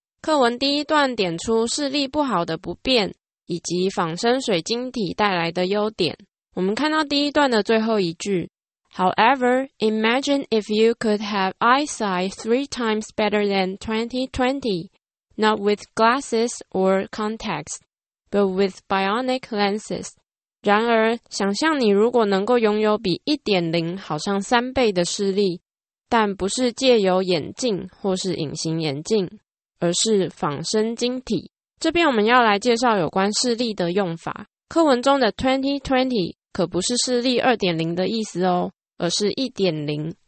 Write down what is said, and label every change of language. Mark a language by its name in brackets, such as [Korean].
[Chinese] 课文第一段点出视力不好的不便以及仿生水晶体带来的优点。我们看到第一段的最后一句， [English] However, imagine if you could have eyesight 3 times better than 20/20, not with glasses or contacts, but with bionic lenses. [Chinese] 然而，想象你如果能够拥有比 1.0 好像三倍的视力，但不是借由眼镜或是隐形眼镜，而是仿生晶体。这边我们要来介绍有关视力的用法。课文中的 20/20 可不是视力 2.0 的意思哦，而是 1.0。